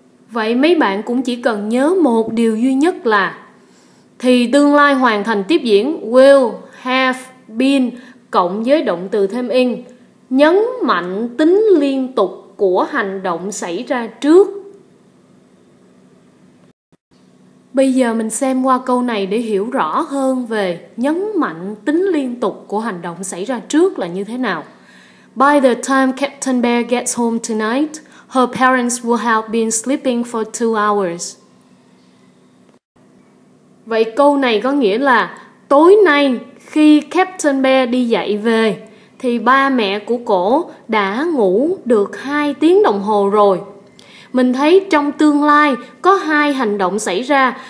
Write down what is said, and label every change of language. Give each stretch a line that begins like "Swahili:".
Vietnamese: Vậy mấy bạn cũng chỉ cần nhớ một điều duy nhất là thì tương lai hoàn thành tiếp diễn will, have, been cộng với động từ thêm ing nhấn mạnh tính liên tục của hành động xảy ra trước. Bây giờ mình xem qua câu này để hiểu rõ hơn về nhấn mạnh tính liên tục của hành động xảy ra trước là như thế nào.
English: By the time Captain Bear gets home tonight, her parents will have been sleeping for 2 hours.
Vietnamese: Vậy câu này có nghĩa là tối nay khi Captain Bear đi dậy về thì ba mẹ của cổ đã ngủ được 2 tiếng đồng hồ rồi. Mình thấy trong tương lai có 2 hành động xảy ra.